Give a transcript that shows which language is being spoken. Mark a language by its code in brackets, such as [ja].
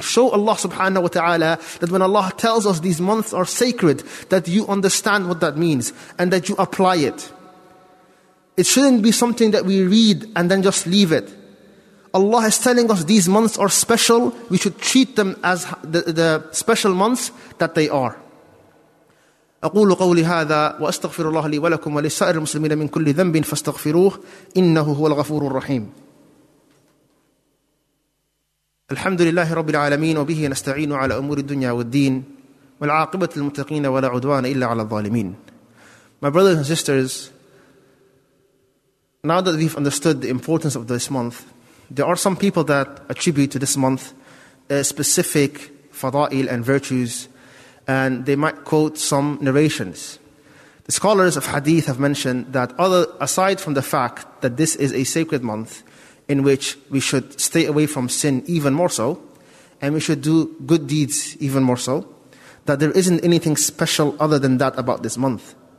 [en] Show Allah subhanahu wa ta'ala that when Allah tells us these months are sacred, that you understand what that means and that you apply it. It shouldn't be something that we read and then just leave it. Allah is telling us these months are special. We should treat them as the special months that they are. [ar] أقول قولي هذا وأستغفر الله لي ولكم ولسائر المسلمين من كل ذنب فاستغفروه إنه هو الغفور الرحيم. الحمد لله رب العالمين وبه نستعين على أمور الدنيا والدين والعاقبة للمتقين ولا عدوان إلا على الظالمين. [en] My brothers and sisters, now that we've understood the importance of this month, there are some people that attribute to this month specific fada'il and virtues, and they might quote some narrations. The scholars of hadith have mentioned that aside from the fact that this is a sacred month in which we should stay away from sin even more so, and we should do good deeds even more so, that there isn't anything special other than that about this month.